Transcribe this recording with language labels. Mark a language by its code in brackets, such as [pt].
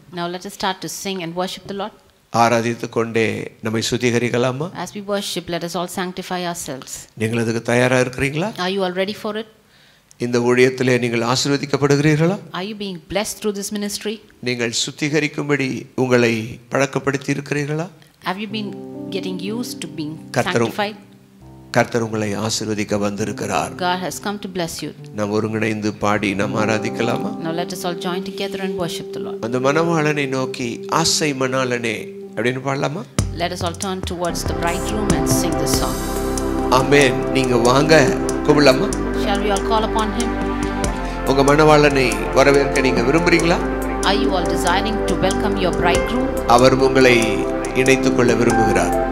[en] Now let us start to sing and worship the Lord. [ta] ஆராதித்து கொண்டே நம்மை சுத்திகரிக்கலாமா? [en] As we worship, let us all sanctify ourselves. [ta] நீங்கள் அதுக்கு தயாரா இருக்கீங்களா? [en] Are you all ready for it? [ta] இந்த ஊழியத்திலே நீங்கள் ஆசீர்வதிக்கப்படுகிறீர்களா? [en] Are you being blessed through this ministry? [ta] நீங்கள் சுத்திகரிக்கும்படி உங்களை பழக்கப்படுத்தி இருக்கிறீர்களா? [en] Have you been getting used to being sanctified? [ta] கர்த்தர் உங்களை ஆசீர்வதிக்க வந்திருக்கிறார். [en] God has come to bless you. [ta] நாம் ஒருங்கிணைந்து பாடி நாம் ஆராதிக்கலாமா? [en] Now let us all join together and worship the Lord. [ta] அந்த மனவாளனை நோக்கி ஆசை மணாலனே அப்படினு பாடலாமா? [en] Let us all turn towards the bridegroom and sing this song. [ta] ஆமென். நீங்க வாங்க, கூப்பிடலாமா? [en] Shall we all call upon him? [ta] உங்க மனவாளனை வரவேற்க நீங்க விரும்புறீங்களா? [en] Are you all desiring to welcome your bridegroom? [ta] அவர் உங்களை இணைத்துக் கொள்ள விரும்புகிறார்.